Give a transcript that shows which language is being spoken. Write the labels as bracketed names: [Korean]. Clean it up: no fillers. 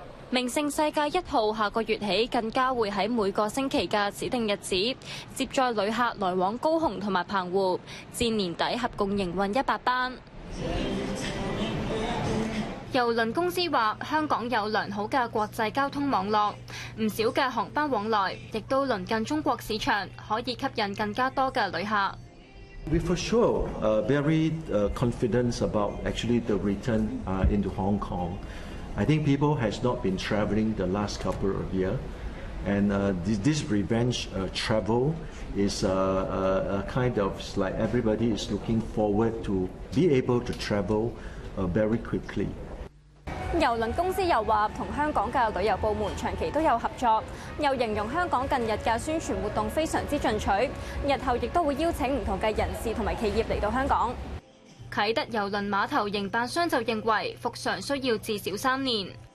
[Cantonese] 名勝世界一號下個月起更加會在每個星期的指定日子接載旅客來往高雄和澎湖，至年底合共營運100班。邮轮公司话，香港有良好的国际交通网络，不少的航班往来亦都邻近中国市场，可以吸引更加多的旅客。 [English] We for sure very confident about actually the return into Hong Kong. I think people has not been traveling the last couple of years, and this revenge travel is a kind of like everybody is looking forward to be able to travel very quickly. [Cantonese] 邮轮公司又话，同香港嘅旅游部门长期都有合作，又形容香港近日嘅宣传活动非常之进取，日后亦都会邀请唔同嘅人士同埋企业嚟到香港。启德邮轮码头营办商就认为，复常需要至少3年。